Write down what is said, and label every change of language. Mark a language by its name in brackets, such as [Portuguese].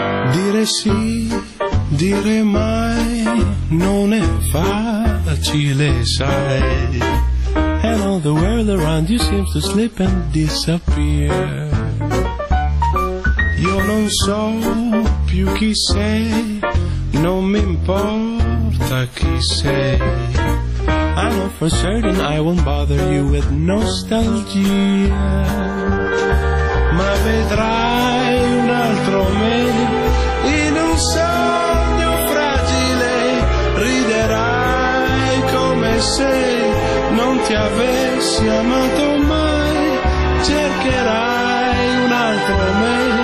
[Italian] Dire sì, dire mai, non è facile, sai. [English] And all the world around you seems to slip and disappear. [Italian] Io non so più chi sei, non mi importa chi sei. [English] I know for certain I won't bother you with nostalgia. [Italian] Ma vedrai un altro me, in un sogno fragile. Riderai come se non ti avessi amato mai. Cercherai un altro me.